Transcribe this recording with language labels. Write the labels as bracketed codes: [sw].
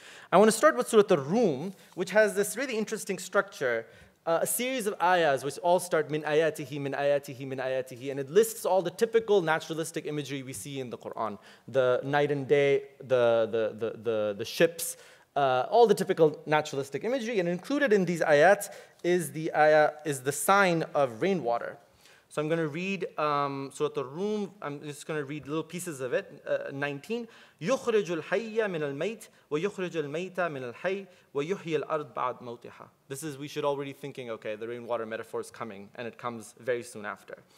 [en] I want to start with Surah Ar-Rum, which has this really interesting structure, a series of ayahs which all start min ayatihi, min ayatihi, min ayatihi, and it lists all the typical naturalistic imagery we see in the Quran, the night and day, the ships, all the typical naturalistic imagery, and included in these ayat is the sign of rainwater. So I'm going to read Surah Ar-Rum. I'm just going to read little pieces of it. 19. [ar] يخرج الحي من الميت ويخرج الميت من الحي ويحيي الأرض بعد موتها. [en] This is, we should already thinking, okay, the rainwater metaphor is coming, and it comes very soon after.